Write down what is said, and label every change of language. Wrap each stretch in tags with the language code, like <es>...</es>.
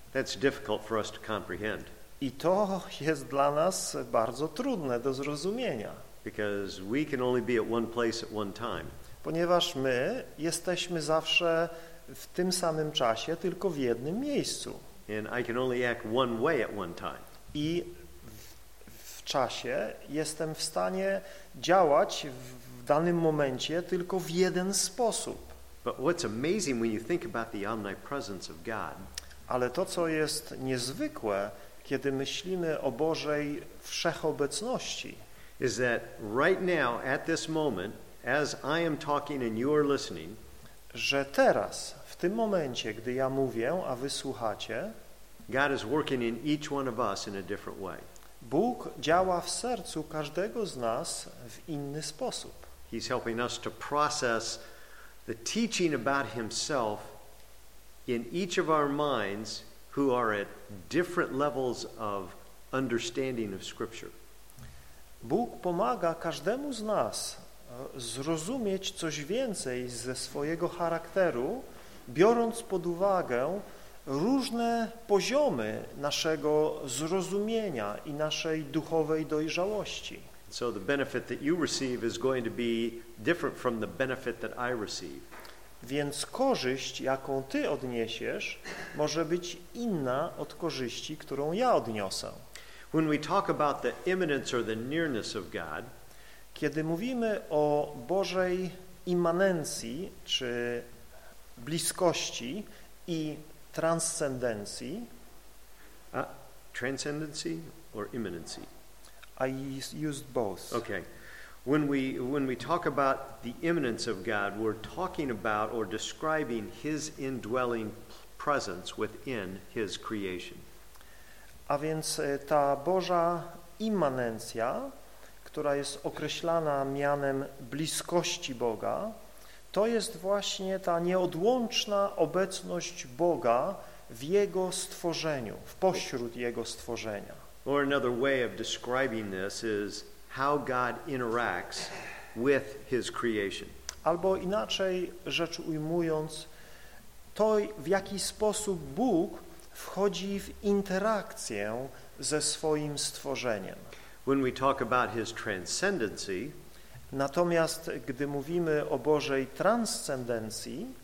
<en>That's difficult for us to comprehend.</en> <pl>I to jest dla nas bardzo trudne do zrozumienia.</pl> <en>Because we can only be at one place at one time.</en> <pl>Ponieważ my jesteśmy zawsze w tym samym czasie, tylko w jednym miejscu.</pl> <en>And I can only act one way at one time.</en> <pl>I w czasie jestem w stanie działać w danym momencie tylko w jeden sposób.</pl> <en>But what's amazing when you think about the omnipresence of God.</en> <pl>Ale to, co jest niezwykłe, kiedy myślimy o Bożej wszechobecności,</pl> <en>is that right now at this moment as I am talking and you are listening,</en> <pl>że teraz w tym momencie, gdy ja mówię, a wy słuchacie,</pl> <en>God is working in each one of us in a different way.</en> <pl>Bóg działa w sercu każdego z nas w inny sposób.</pl> <en>He's helping us to process the teaching about himself in each of our minds who are at different levels of understanding of Scripture.</en> <pl>Bóg pomaga każdemu z nas zrozumieć coś więcej ze swojego charakteru, biorąc pod uwagę różne poziomy naszego zrozumienia i naszej duchowej dojrzałości.</pl> <en>So the benefit that you receive is going to be different from the benefit that I receive.</en> <pl>Więc korzyść, jaką ty odniesiesz, może być inna od korzyści, którą ja odniosę.</pl> <en>When we talk about the imminence or the nearness of God,</en> <pl>kiedy mówimy o Bożej immanencji czy bliskości i transcendencji,</pl> <en>transcendency or imminency? I used both. Okay. When we talk about the imminence of God, we're talking about or describing his indwelling presence within his creation.</en> <pl>A więc ta Boża immanencja, która jest określana mianem bliskości Boga, to jest właśnie ta nieodłączna obecność Boga w jego stworzeniu, w pośród jego stworzenia.</pl> <en>Or another way of describing this is how God interacts with his creation.</en> <pl>Albo inaczej rzecz ujmując, to w jaki sposób Bóg wchodzi w interakcję ze swoim stworzeniem.</pl> <en>When we talk about his transcendency,</en> <pl>natomiast gdy mówimy o Bożej transcendencji,</pl>